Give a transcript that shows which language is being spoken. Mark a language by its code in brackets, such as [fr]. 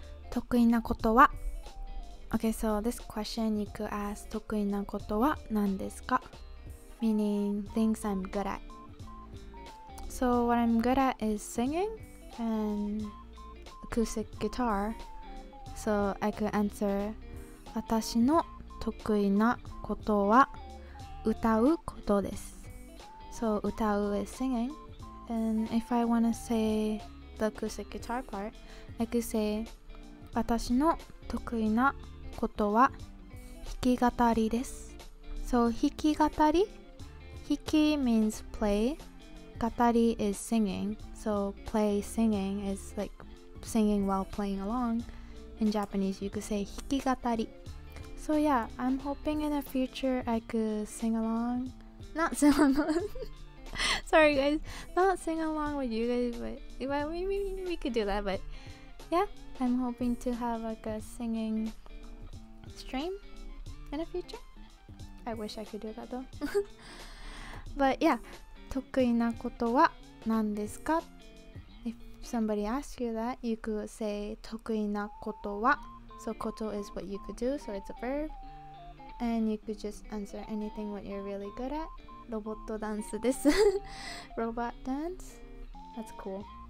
[ja] 得意なことは? [en] Okay, so this question you could ask [ja] 得意なことは何ですか? [en] Meaning things I'm good at. So what I'm good at is singing and acoustic guitar. So I could answer [ja] 私の得意なことは歌うことです。 [en] So [ja] 歌う [en] is singing. And if I want to say the acoustic guitar part, I could say [ja] 私の得意なことは弾き語りです。 [en] So [ja] 弾き語り? [en] Hiki means play, gatari is singing, so play singing is like singing while playing along. In Japanese, you could say hiki gatari. So yeah, I'm hoping in the future I could sing along. Not sing along. Sorry guys, not sing along with you guys, but we could do that. But yeah, I'm hoping to have like a singing stream in the future. I wish I could do that though. But yeah, [ja] 得意なことは何ですか? [en] If somebody asks you that, you could say [ja] 得意なことは. [en] So koto is what you could do, so it's a verb. And you could just answer anything what you're really good at. robotto dance this. Robot dance. That's cool.